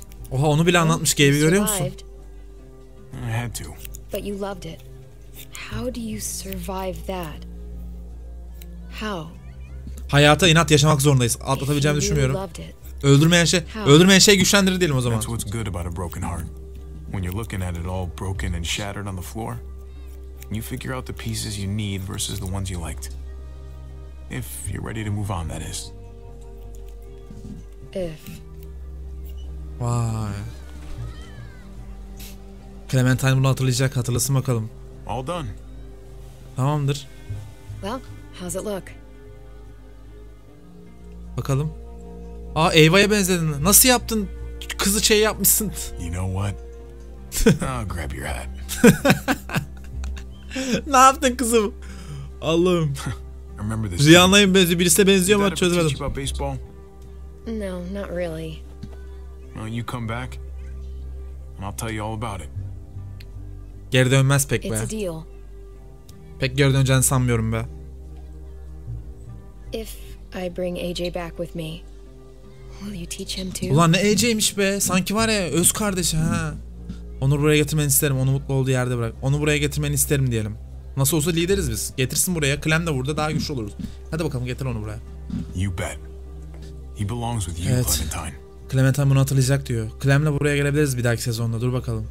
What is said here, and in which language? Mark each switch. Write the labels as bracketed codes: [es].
[tr] Oha onu bile anlatmış Gabe'i görüyor musun? [en] I had to. But you loved it. How do you survive that? How? [tr] Hayata inat yaşamak zorundayız. Atlatabileceğimi düşünmüyorum. Öldürmeyen şey güçlendirir diyelim o zaman. [en] That's what's good about a broken heart. When you're looking at it all broken and shattered on the floor, you figure out the pieces you need versus the ones you liked. If you're ready to move on, that is. If. [tr] Vay. Clementine bunu hatırlayacak. Hatırlasın bakalım. [en] All done. [tr] Tamamdır. [en] Well, how's it look? [tr] Bakalım. Aa, Eva'ya benzedin. Nasıl yaptın? Kızı şey yapmışsın. [en] You know what? I'll grab your hat. [tr] Ne yaptın kızım? Allah'ım. [en] Remember this. [tr] Rihanna'ya benziyor. Birisine benziyor ama çözemedim. [en] You about baseball? No, not really. Well, you come back and I'll tell you all about it. [tr] Geri dönmez pek be. [en] It's a deal. [tr] Pek geri döneceğini sanmıyorum be. [en] If I bring AJ back with me, will you teach him too? [tr] Ulan ne AJ'ymiş be. Sanki var ya öz kardeşi ha. Onu buraya getirmeni isterim. Onu mutlu olduğu yerde bırak. Onu buraya getirmeni isterim diyelim. Nasıl olsa lideriz biz. Getirsin buraya. Clem de burada daha güçlü oluruz. Hadi bakalım getir onu buraya. [en] You bet. He belongs with you, [tr] evet. [en] Clementine. [tr] Clementine bunu hatırlayacak diyor. Clem'le buraya gelebiliriz bir dahaki sezonda. Dur bakalım.